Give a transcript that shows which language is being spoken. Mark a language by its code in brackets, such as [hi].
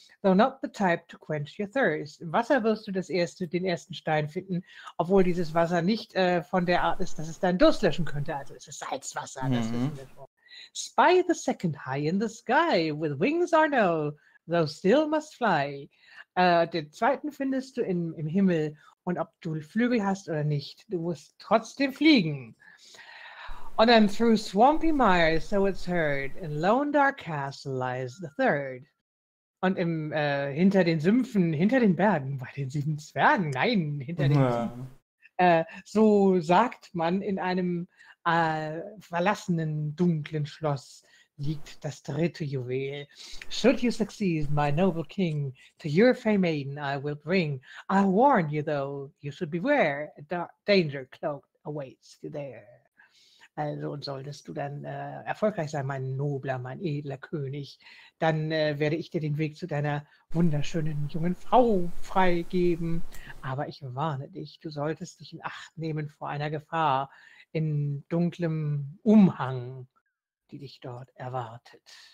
[en] So, not the type to quench your thirst. [de] Im Wasser wirst du den ersten Stein finden, obwohl dieses Wasser nicht von der Art ist, dass es deinen Durst löschen könnte. Also es ist Salzwasser, das wissen wir schon. [en] Spy the second high in the sky, with wings are no, thou still must fly. [de] Den zweiten findest du im Himmel. Und ob du Flügel hast oder nicht, du musst trotzdem fliegen. Und dann [en] through swampy mire, so it's heard, in lone dark castle lies the third. [de] Und hinter den Sümpfen, hinter den Bergen, bei den sieben Zwergen, nein, hinter den Sümpfen, so sagt man, in einem verlassenen, dunklen Schloss liegt das dritte Juwel. [en] Should you succeed, my noble king, to your fair maiden I will bring. I warn you, though, you should beware, a dark danger cloak awaits you there. [de] Also, und solltest du dann erfolgreich sein, mein nobler, mein edler König, dann werde ich dir den Weg zu deiner wunderschönen jungen Frau freigeben. Aber ich warne dich, du solltest dich in Acht nehmen vor einer Gefahr in dunklem Umhang, die dich dort erwartet.